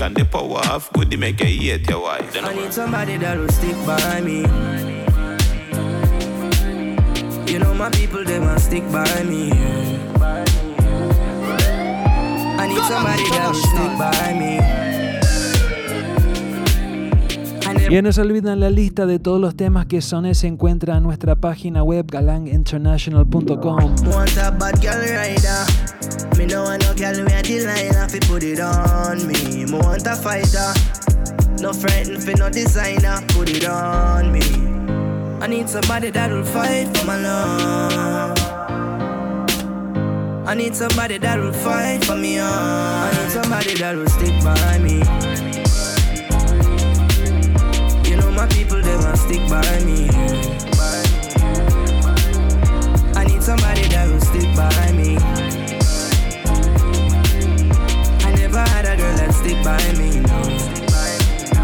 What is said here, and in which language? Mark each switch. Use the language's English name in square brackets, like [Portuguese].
[English] And the power of goodie, make you hate your wife. I need somebody that will stick by me. You know my people, they must stick by me. I need somebody that will stick by me. [Spanish] Y no se olviden la lista de todos los temas que soné se encuentra en nuestra página web galanginternational.com. [English] My people, they must stick by me. I need somebody that will stick by me. I never had a girl that stick by me. No.